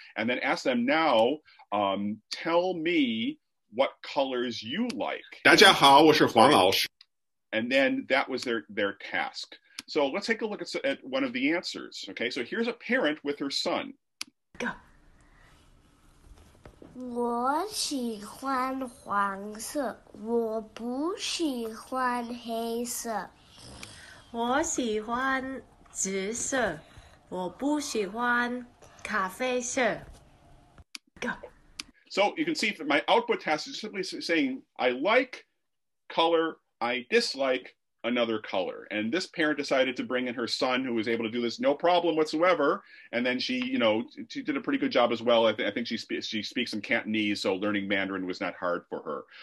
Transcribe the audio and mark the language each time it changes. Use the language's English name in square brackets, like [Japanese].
[English] And then ask them now, tell me what colors you like. [Chinese] 大家好，我是黄老师。 [English] And then that was their task. So let's take a look at one of the answers. Okay, so here's a parent with her son. Go. [Chinese] 我喜欢黄色，我不喜欢黑色。我喜欢紫色，我不喜欢咖啡色。 [English] Go. So you can see that my output task is simply saying, I like color, I dislike another color. And this parent decided to bring in her son who was able to do this no problem whatsoever. And then she, you know, she did a pretty good job as well. I think she speaks in Cantonese, so learning Mandarin was not hard for her.